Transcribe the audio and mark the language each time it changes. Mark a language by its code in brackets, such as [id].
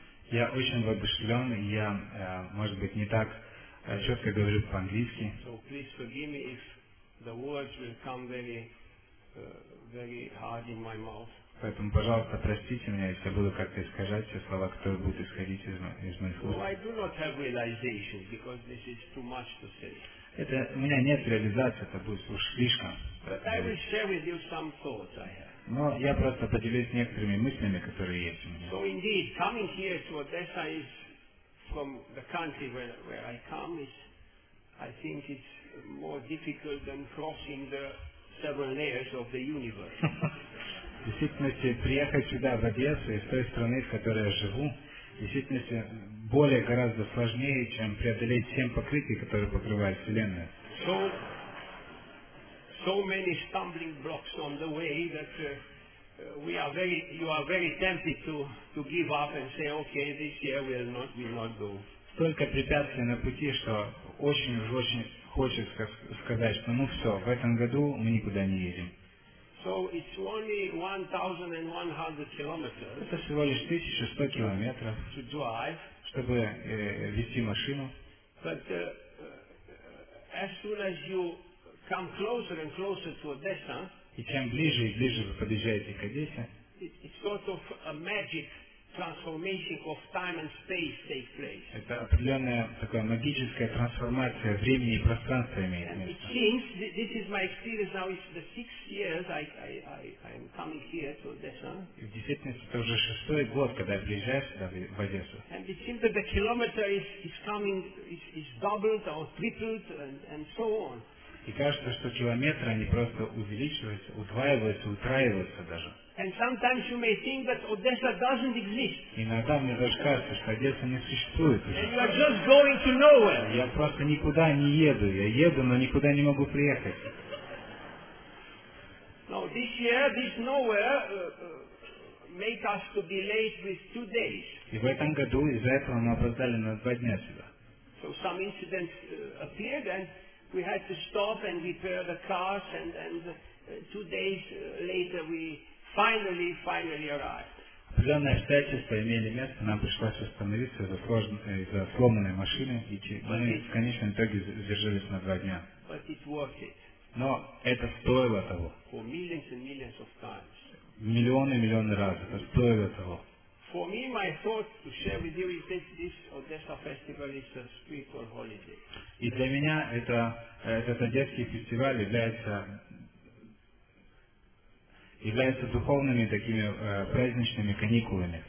[ru] Я очень воодушевлен, я, может быть, не так четко говорю по-английски. [en] So please forgive me if the words will come very, very hard in my mouth. [ru] Поэтому, пожалуйста, простите меня, если я буду как-то искажать все слова, которые будут исходить из моих уст. [en] I do not have realization because this is too much to say. [ru] Это у меня нет реализации, это будет уж слишком. [en] But I will share with you some thoughts I have. [ru] Но я просто поделюсь некоторыми мыслями, которые есть у меня. [en] So indeed, coming here to Odessa is from the country where I come is, I think it's more difficult than crossing the seven layers of the universe. [ru] В действительности, приехать сюда, в Одессу, из той страны, в которой я живу, в действительности, более гораздо сложнее, чем преодолеть семь покрытий, которые покрывают Вселенную. [en] So many stumbling blocks on the way that you are very tempted to give up and say, okay, this year we will not go. [ru] Столько препятствий на пути, что очень хочется сказать, что ну все, в этом году мы никуда не едем. [en] So it's only 1,100 kilometers. [ru] Это всего лишь 1,100 километров. [en] To drive. [ru] Чтобы вести машину. [en] But as soon as you come closer and closer to Odessa. [ru] И чем ближе и ближе вы подъезжаете к Одессе, [en] it's sort of a magic transformation of time and space take place. [ru] Это определенная такая магическая трансформация времени и пространства имеет место. [en] It seems this is my experience now. It's the sixth year I am coming here to Odessa. [ru] И в действительности это уже шестой год, когда я приезжаю сюда в Одессу. [en] And it seems that the kilometer is coming is doubled or tripled and so on. [ru] И кажется, что километры, они просто увеличиваются, удваиваются, утраиваются даже. [en] And sometimes you may think that Odessa doesn't exist. [ru] Иногда мне даже кажется, что Одесса не существует уже. [en] And you are just going to nowhere. [ru] Я просто никуда не еду. Я еду, но никуда не могу приехать. [en] Now this year, this nowhere make us to be late with 2 days. [ru] И в этом году из-за этого мы опоздали на 2 дня сюда. [en] So some incidents appeared and we had to stop and repair the cars and 2 days later we finally arrived. [ru] Определенное обстоятельство имели место, нам пришлось остановиться из-за сломанной машины, и мы в конечном итоге задержались на 2 дня. [en] But it's worth it. [ru] Но это стоило того. [en] For millions and millions of times. [ru] Миллионы и миллионы раз это стоило того. [en] For me, my thought to share with you is that this Odessa festival is a spiritual holiday. [ru] И для меня этот одесский фестиваль является духовными такими праздничными каникулами.